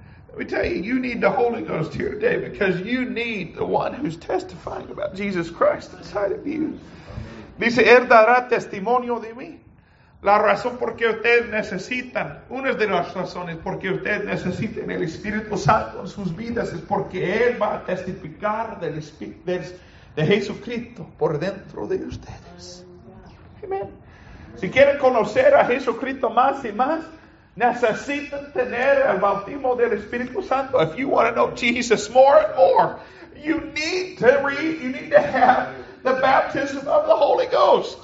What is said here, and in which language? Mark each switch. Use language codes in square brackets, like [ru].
[en] Let me tell you need the Holy Ghost here today, because you need the one who's testifying about Jesus Christ inside of you. [es] Dice, él dará testimonio de mí. La razón por qué ustedes necesitan, una de las razones por qué ustedes necesitan el Espíritu Santo en sus vidas es porque él va a testificar del Espíritu de Jesucristo por dentro de ustedes. Amén. Si quieren conocer a Jesucristo más y más, necesitan tener el bautismo del Espíritu Santo. [en] If you want to know Jesus more and more, you need to have the baptism of the Holy Ghost.